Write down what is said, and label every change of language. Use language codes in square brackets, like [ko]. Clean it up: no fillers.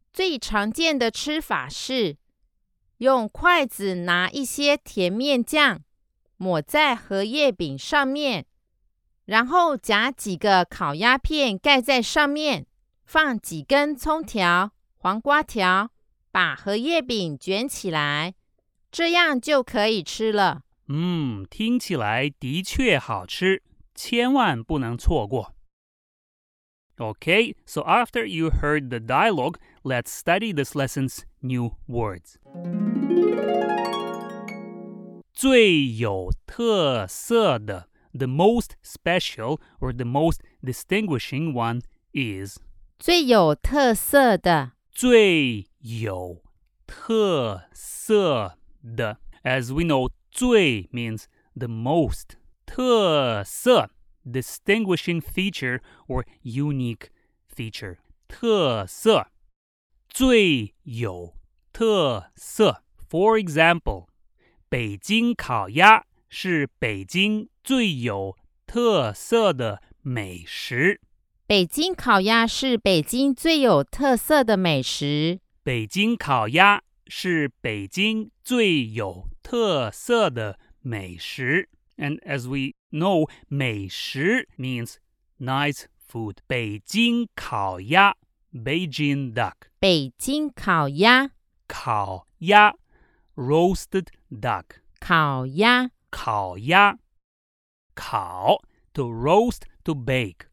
[zh] 最常见的吃法是用筷子拿一些甜面酱抹在荷叶饼上面，然后夹几个烤鸭片盖在上面，放几根葱条、黄瓜条，把荷叶饼卷起来，这样就可以吃了。听起来的确好吃，千万不能错过。 [en] Okay, so after you heard the dialogue, let's study this lesson's new words. [zh] 最有特色的 [en] The most special or the most distinguishing one is [zh] 最有特色的最有特色的 [en] As we know,最 means the most. [zh] 特色 [en] distinguishing feature or unique feature. [zh] 特色最有特色 [en] For example, [zh] 北京烤鸭是北京最有特色的美食。北京烤鸭是北京最有特色的美食。北京烤鸭是北京最有特色的美食。 [en] And as we know, 美食 means nice food. [zh] 北京烤鸭 [en] Beijing duck. [zh] 北京烤鸭烤鸭 [en] Roasted duck. [zh] 烤鸭烤鸭烤 [en] To roast, to bake.